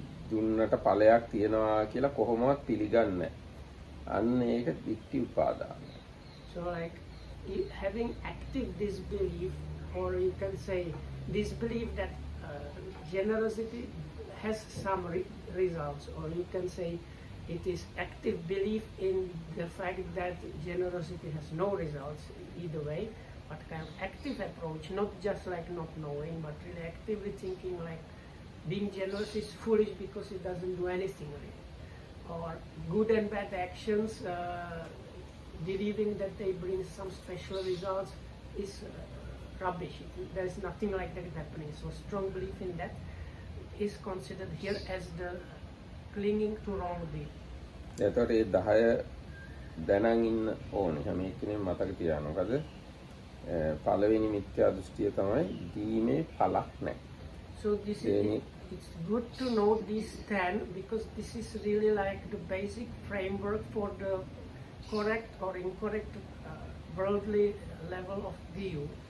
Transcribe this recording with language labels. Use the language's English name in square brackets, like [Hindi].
[Sinhala] දුන්නට ඵලයක් තියෙනවා කියලා කොහොමවත් පිළිගන්නේ නැහැ. අන්න ඒක ditthi upadana. [English] So like having active disbelief, or you can say disbelief that generosity has some results, or you can say it is active belief in the fact that generosity has no results either way, but kind of active approach, not just like not knowing, but really actively thinking like being generous is foolish because it doesn't do anything really. Or good and bad actions, believing that they bring some special results is rubbish. There is nothing like that happening. So strong belief in that is considered here as the clinging to wrong belief. [Sinhala] එතකොට ඒ 10 දැනන් ඉන්න ඕනේ හැම එක්කෙනෙම මතක තියාගන්න. මොකද පළවෙනි මිත්‍යා දෘෂ්ටිය තමයි දීමේ ඵලක් නැහැ. [English] So this is it's good to know these 10 because this is really like the basic framework for the correct or incorrect worldly level of view.